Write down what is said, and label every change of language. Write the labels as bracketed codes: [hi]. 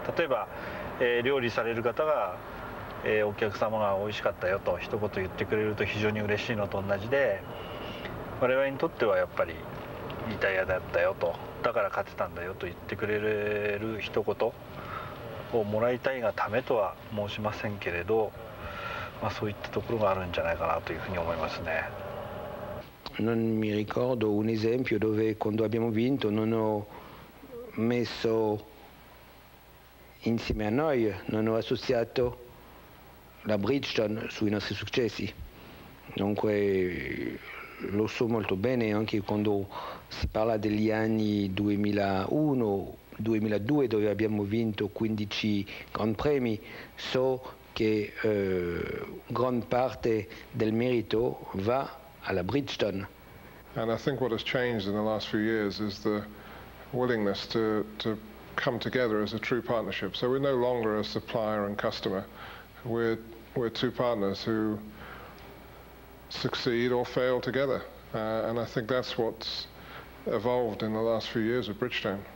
[ja] 例えば、料理される方がお客様が美味しかったよと一言言ってくれると非常に嬉しいのと同じで、我々にとってはやっぱりいいタイヤだったよと、だから勝てたんだよと言ってくれる一言をもらいたいがためとは申しませんけれど、まあ、そういったところがあるんじゃないかなというふうに思いますね。 [it] non mi ricordo un esempio dove quando abbiamo vinto non ho messo insieme a noi, non ho associato la Bridgestone sui nostri successi. Dunque lo so molto bene, anche quando si parla degli anni 2001-2002 dove abbiamo vinto 15 Gran Premi, so che gran parte del merito va alla Bridgestone. [en] And I think what has changed in the last few years is the willingness to come together as a true partnership. So we're no longer a supplier and customer. We're two partners who succeed or fail together. And I think that's what's evolved in the last few years with Bridgestone.